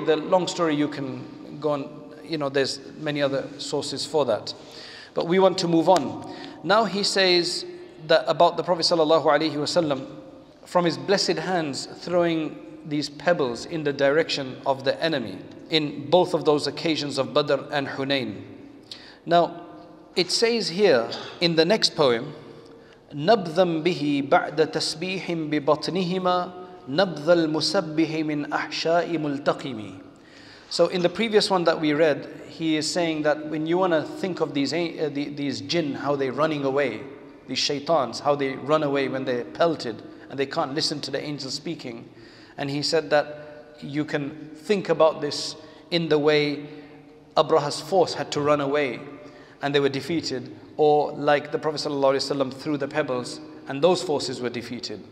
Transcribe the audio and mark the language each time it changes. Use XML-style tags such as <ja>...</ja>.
<en>The long story, you can go on, you know, there's many other sources for that. But we want to move on. Now he says that about the Prophet sallallahu alaihi wasallam, from his blessed hands throwing these pebbles in the direction of the enemy in both of those occasions of Badr and Hunayn. Now, it says here in the next poem,</en> <ar>نَبْذًا بِهِ بَعْدَ تَسْبِيحٍ بِبَطْنِهِمَا نَبْذَ الْمُسَبِّحِ مِنْ أَحْشَاءِ مُلْتَقِمِ.</ar> <en>So in the previous one that we read, he is saying that when you want to think of these jinn, how they're running away, these shaitans, how they run away when they're pelted and they can't listen to the angel speaking. And he said that you can think about this in the way Abraha's force had to run away and they were defeated, or like the Prophet ﷺ threw the pebbles and those forces were defeated.</en>